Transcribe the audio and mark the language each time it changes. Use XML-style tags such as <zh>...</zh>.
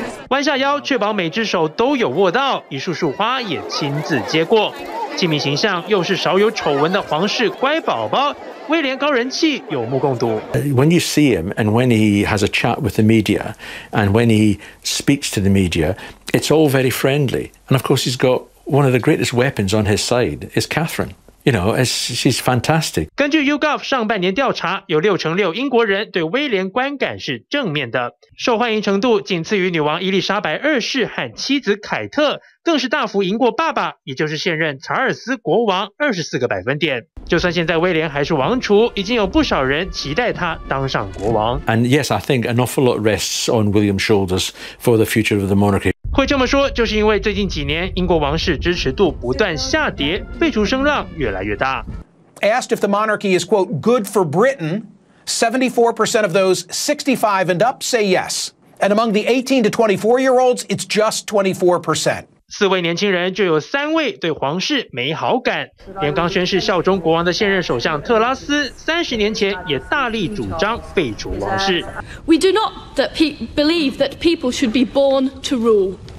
<zh>弯下腰确保每只手都有握到，一束束花也亲自接过。亲密形象又是少有丑闻的皇室乖宝宝，威廉高人气有目共睹。</zh> <en>When you see him and when he has a chat with the media and when he speaks to the media, it's all very friendly. And of course, he's got one of the greatest weapons on his side, is Catherine. You know, she's fantastic.</en> <zh>根据 YouGov 上半年调查，有66%英国人对威廉观感是正面的，受欢迎程度仅次于女王伊丽莎白二世和妻子凯特，更是大幅赢过爸爸，也就是现任查尔斯国王24%。就算现在威廉还是王储，已经有不少人期待他当上国王。</zh> <en>And yes, I think an awful lot rests on William's shoulders for the future of the monarchy.</en> <zh>会这么说，就是因为最近几年英国王室支持度不断下跌，废除声浪越来越大。</zh> <en>Asked if the monarchy is quote good for Britain, 74% of those 65 and up say yes, and among the 18 to 24 year olds, it's just 24%.</en> <zh>四位年轻人就有三位对皇室没好感，连刚宣誓效忠国王的现任首相特拉斯30年前也大力主张废除王室。</zh> <en>We do not believe that people should be born to rule.</en>